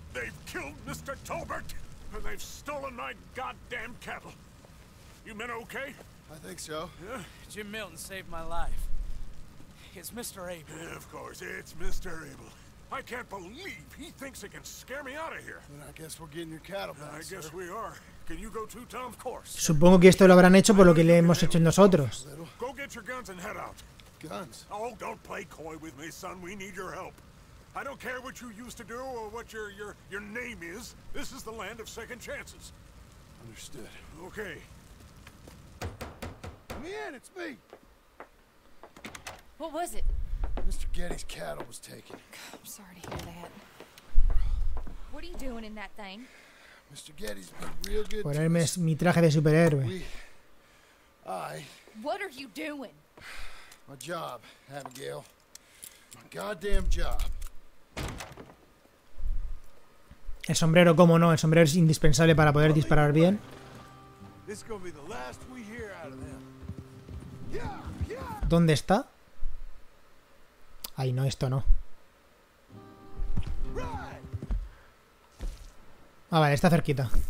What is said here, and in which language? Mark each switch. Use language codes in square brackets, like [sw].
[en] They've killed Mr. Tolbert and they've stolen my goddamn cattle. You men okay? I think so. Yeah. Jim Milton saved my life. It's Mr. Abel. Yeah, of course, it's Mr. Abel. I can't believe he thinks he can scare me out of here. Then I guess we're getting your cattle back, I guess, sir. We are. Can you go too, Tom? Of course. [es] Supongo que esto lo habrán hecho por lo que le hemos hecho nosotros. [en] Go get your guns and head out. Guns? Oh, don't play coy with me, son. We need your help. I don't care what you used to do or what your name is. This is the land of second chances. Understood. Okay. Come in, it's me. What was it? Mr. Getty's cattle was taken. God, I'm sorry to hear that. What are you doing in that thing? Mr. Getty's been real good. [es] Ponerme mi traje de superhéroe. [en] What are you doing? My job, Abigail. My goddamn job. [es] El sombrero, cómo no, el sombrero es indispensable para poder disparar bien. [en] This is gonna be the last we hear out of them. [es] ¿Dónde está? Ay, no, esto no. Ah, vale, está cerquita.